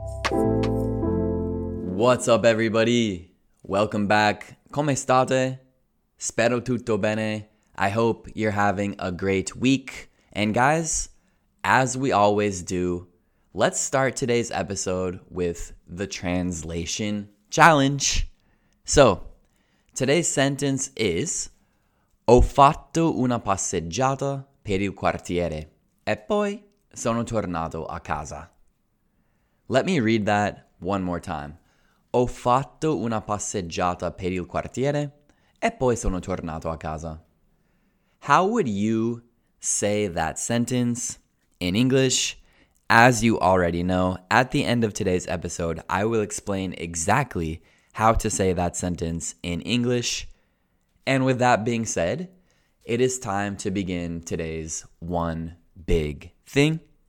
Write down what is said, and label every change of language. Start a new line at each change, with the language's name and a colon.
English: What's up, everybody? Welcome back.
Italian: Come state? Spero tutto bene.
English: I hope you're having a great week. And guys, as we always do, let's start today's episode with the translation challenge. So, today's sentence is,
Italian: ho fatto una passeggiata per il quartiere e poi sono tornato a casa.
English: Let me read that one more time.
Italian: Ho fatto una passeggiata per il quartiere e poi sono tornato a casa.
English: How would you say that sentence in English? As you already know, at the end of today's episode, I will explain exactly how to say that sentence in English. And with that being said, it is time to begin today's one big thing.